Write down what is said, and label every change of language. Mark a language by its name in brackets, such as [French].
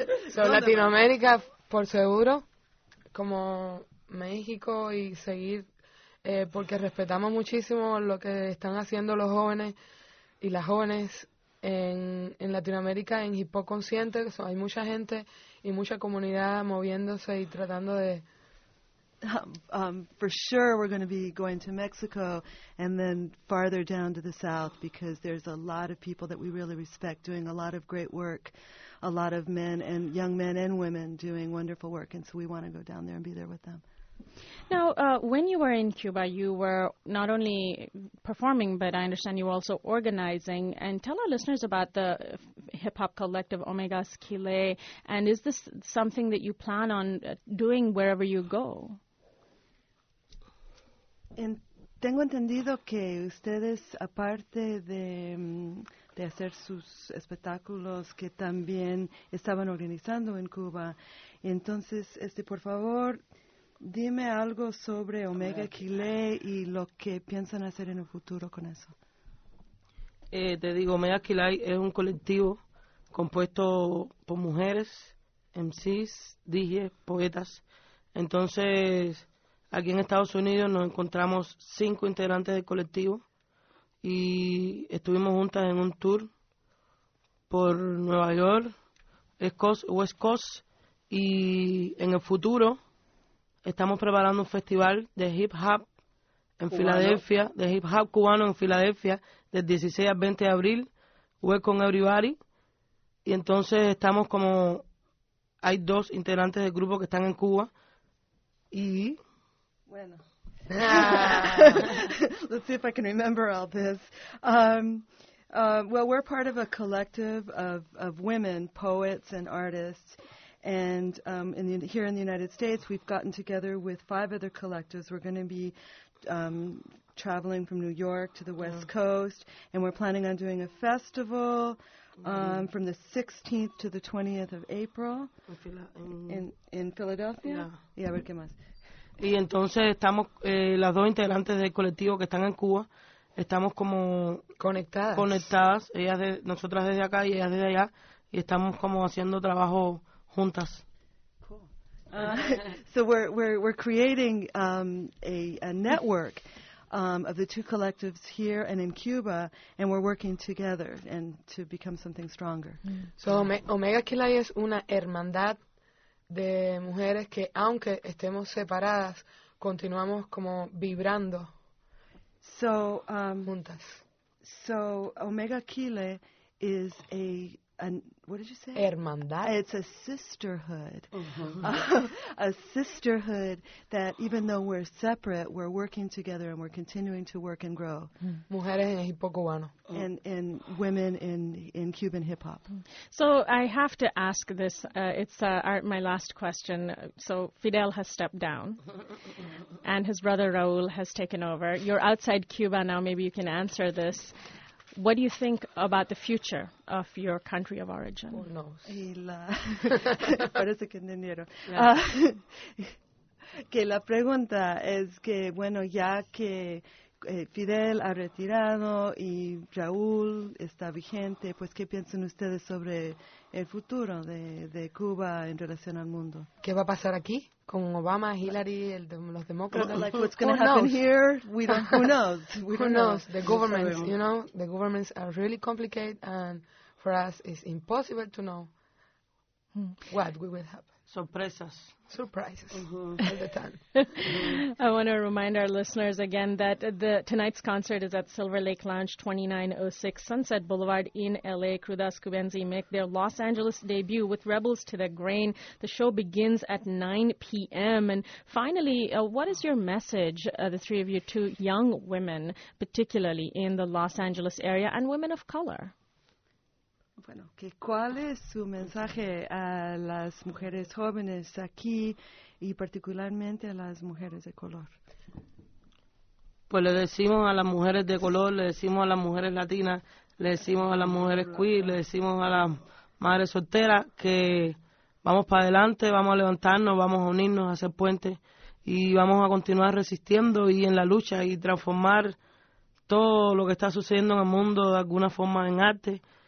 [Spanish] So, Latinoamérica, por seguro, como México, y seguir, porque respetamos muchísimo lo que están haciendo los jóvenes y las jóvenes en Latinoamérica, en hip hop consciente. So, hay mucha gente y mucha comunidad moviéndose y tratando de... [English] For sure we're going to be going to Mexico and then farther down to the south, because there's a lot of people that we really respect doing a lot of great work, a lot of men and young men and women doing wonderful work, and so we want to go down there and be there with them. Now, when you were in Cuba, you were not only performing, but I understand you were also organizing. And tell our listeners about the hip-hop collective Omegas Kile. And is this something that you plan on doing wherever you go? [Spanish] Tengo entendido que ustedes, aparte de hacer sus espectáculos, que también estaban organizando en Cuba. Entonces, por favor... Dime algo sobre Omega Kile y lo que piensan hacer en el futuro con eso. Te digo, Omega Kile es un colectivo compuesto por mujeres, MCs, DJs, poetas. Entonces, aquí en Estados Unidos nos encontramos 5 integrantes del colectivo y estuvimos juntas en un tour por Nueva York, West Coast, y en el futuro... Estamos preparando un festival de hip-hop en cubano. Filadelfia, de hip-hop cubano en Filadelfia, del 16 al 20 de abril, [English] Welcome Everybody. [Spanish] Y entonces estamos como, hay 2 integrantes del grupo que están en Cuba, y... Bueno. [English] Let's see if I can remember all this. Well, we're part of a collective of women, poets and artists. And here in the United States, we've gotten together with 5 other collectives. We're going to be traveling from New York to the West Coast, and we're planning on doing a festival from the 16th to the 20th of April in Philadelphia. Yeah. [Spanish] Yeah, a ver qué más. Y entonces estamos, las 2 integrantes del colectivo que están en Cuba, estamos como... Conectadas. Nosotras desde acá y ellas desde allá, y estamos como haciendo trabajo... Juntas. [English] Cool. So we're creating a network of the 2 collectives here and in Cuba, and we're working together and to become something stronger. Mm. [Spanish] So Omega Kile es una hermandad de mujeres que, aunque estemos separadas, continuamos como vibrando [English] So, [Spanish] juntas. [English] So Omega Chile is a what did you say? [Spanish] Hermandad. [English] It's a sisterhood. A sisterhood that even though we're separate, we're working together and we're continuing to work and grow. [Spanish] Mujeres en hip hop cubano. [English] And women in Cuban hip hop. So I have to ask this. It's my last question. So Fidel has stepped down and his brother Raul has taken over. You're outside Cuba now. Maybe you can answer this. What do you think about the future of your country of origin? Who knows? [Spanish] Parece que no entendieron. Que la pregunta es que, bueno, ya que Fidel ha retirado y Raúl está vigente, pues, ¿qué piensan ustedes sobre el futuro de Cuba en relación al mundo? ¿Qué va a pasar aquí con Obama, Hillary, los demócratas? [English] Like, what's going to happen knows? Here? We don't, who knows? We who don't knows? Know. The governments, you know, the governments are really complicated, and for us it's impossible to know what will happen. [Spanish] Sorpresas. [English] Surprises. Mm-hmm. I want to remind our listeners again that tonight's concert is at Silver Lake Lounge, 2906 Sunset Boulevard in L.A. Crudas Cubenzi make their Los Angeles debut with Rebels to the Grain. The show begins at 9 p.m. And finally, what is your message, the three of you, to young women, particularly in the Los Angeles area, and women of color? [Spanish] Bueno, que ¿cuál es su mensaje a las mujeres jóvenes aquí y particularmente a las mujeres de color? Pues le decimos a las mujeres de color, le decimos a las mujeres latinas, le decimos a las mujeres queer, le decimos a las madres solteras que vamos para adelante, vamos a levantarnos, vamos a unirnos, a hacer puentes y vamos a continuar resistiendo y en la lucha y transformar todo lo que está sucediendo en el mundo de alguna forma en arte.